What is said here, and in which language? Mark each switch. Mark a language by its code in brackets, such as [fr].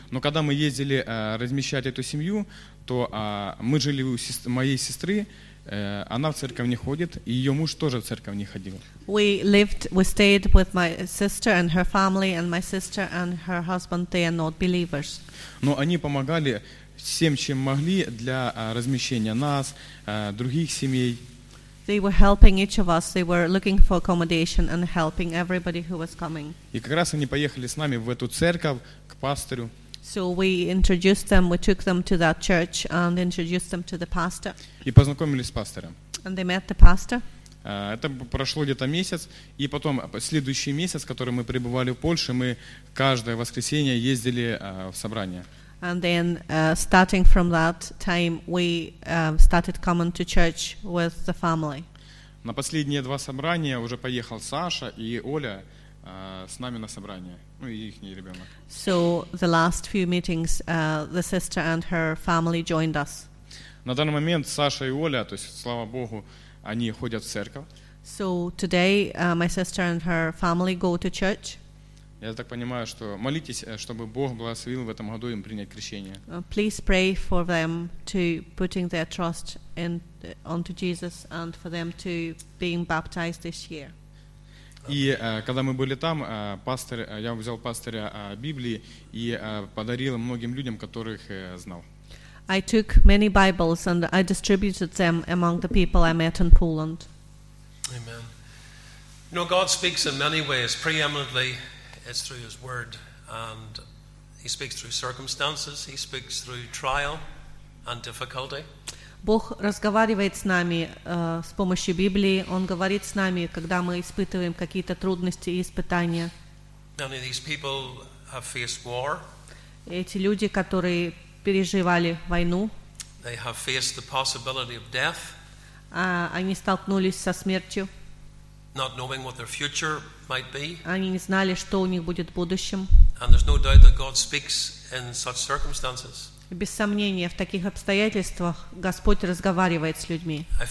[ru] Но когда мы ездили размещать эту семью, то мы жили у моей сестры, она в церковь не ходит, и ее муж тоже в церковь не ходил. [en] We stayed with my sister and her family, and my sister and her husband, they are not believers. [ru] Но они помогали всем, чем могли, для размещения нас, других семей. [en] They were helping each of us. They were looking for accommodation and helping everybody who was coming. [ru] И как раз они поехали с нами в эту церковь, к пастору. [en] So we introduced them, we took them to that church and introduced them to the pastor. [ru] И познакомились с пастором. [en] And they met the pastor. [ru] Это прошло где-то месяц, и потом следующий месяц, который мы пребывали в Польше, мы каждое воскресенье ездили в собрание. [en] And then, starting from that time, we started coming to church with the family. [ru] На последние 2 собрания уже поехал Саша и Оля с нами на собрание, ну и ихний ребенок. [en] So the last few meetings, the sister and her family joined us. [ru] На данный момент Саша и Оля, то есть слава Богу, они ходят в церковь. [en] So today, my sister and her family go to church. [ru] Я так понимаю, что молитесь, чтобы Бог благословил в этом году им принять крещение. [en] Please pray for them to putting their trust in onto Jesus and for them to being baptized this year. [ru] И когда мы были там, пастор, я взял пастора Библии и подарил многим людям, которых знал. [en] I took many Bibles and I distributed them among the people I met in Poland. Amen. You know, God speaks in many ways. Preeminently, it's through His Word. And He speaks through circumstances. He speaks through trial and difficulty. [ru] Бог разговаривает с нами с помощью Библии. Он говорит с нами, когда мы испытываем какие-то трудности и испытания. [en] Many of these people have faced war. [ru] Эти люди, которые переживали войну, [en] they have faced the possibility of death. [ru] Они столкнулись со смертью. [en] Not knowing what their future might be. [ru] Они не знали, что у них будет в будущем. [en] And there's no doubt that God speaks in such circumstances. [ru] Без сомнения, в таких обстоятельствах Господь разговаривает с людьми.